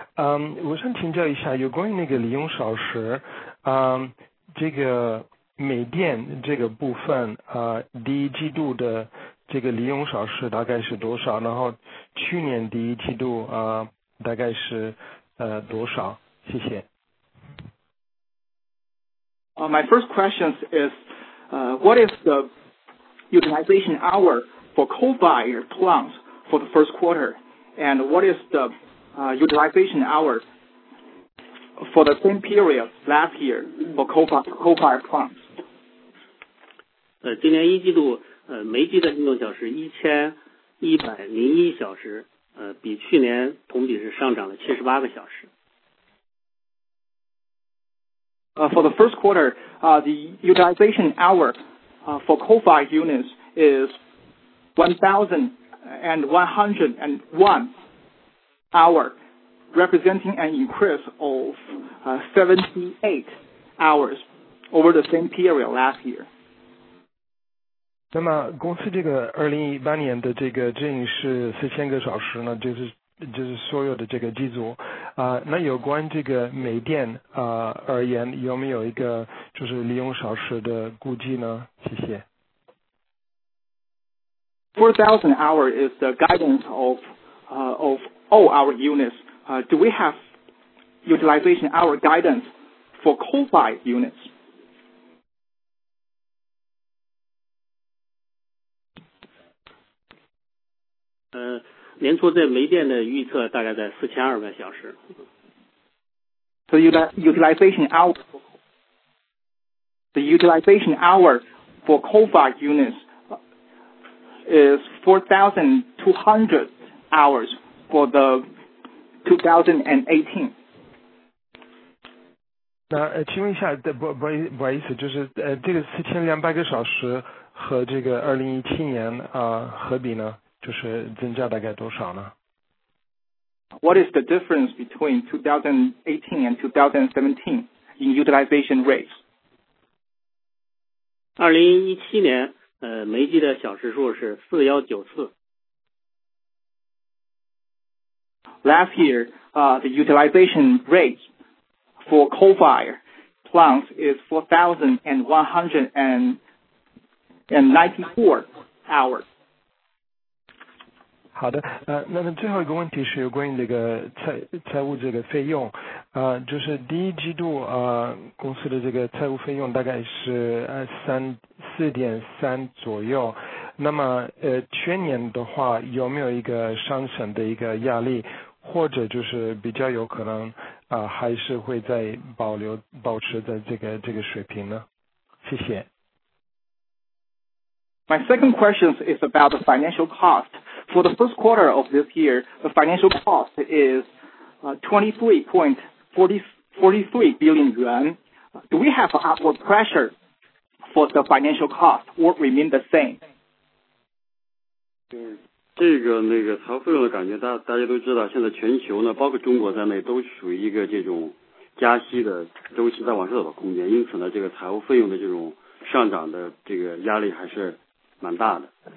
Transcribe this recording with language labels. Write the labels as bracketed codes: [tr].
[zh] 我想请教一下有关于那个利用少时，这个煤电这个部分，第一季度的这个利用少时大概是多少，然后去年第一季度大概是多少，谢谢。 [en] My first question is, what is the utilization hour for coal-fired plants for the first quarter? And what is the utilization hour for the same period last year for coal-fired plants? [zh] 今年一季度煤机的运动小时1101小时，比去年同比是上涨了78个小时。 [en] For the first quarter, the utilization hour for coal-fired units is 1,101 hour, representing an increase of 78 hours over the same period last year. [zh] 那么公司这个2018年的这个净是4000个小时呢，就是所有的这个机组。那有关这个煤电而言，有没有一个就是利用小时的估计呢？谢谢。 [en] 4,000 hour is the guidance of all our units. Do we have utilization hour guidance for coal-fired units? [zh] 年初在煤电的预测大概在4200小时。 [en] So the utilization hour for coal-fired units is 4,200 hours for the 2018. [zh] 那请问一下，不好意思，就是这个4200个小时和这个2017年何比呢？就是增加大概多少呢？ [en] What is the difference between 2018 and 2017 in utilization rates? [zh] 2017年，煤机的小时数是4194。 [en] Last year, the utilization rate for coal fire plants is 4,194 hours. [zh] 好的，那最后一个问题是有关于这个财务这个费用，就是第一季度公司的这个财务费用大概是4.3左右，那么全年的话有没有一个上升的一个压力，或者就是比较有可能还是会在保持在这个水平呢？谢谢。 [en] My second question is about the financial cost. For the first quarter of this year, the financial cost is 23.43 billion yuan. Do we have upward pressure for the financial cost or remain the same? [zh] 这个财务费用的感觉，大家都知道，现在全球呢，包括中国在内，都属于一个这种加息的周期在往上走的空间，因此呢，这个财务费用的这种上涨的这个压力还是蛮大的。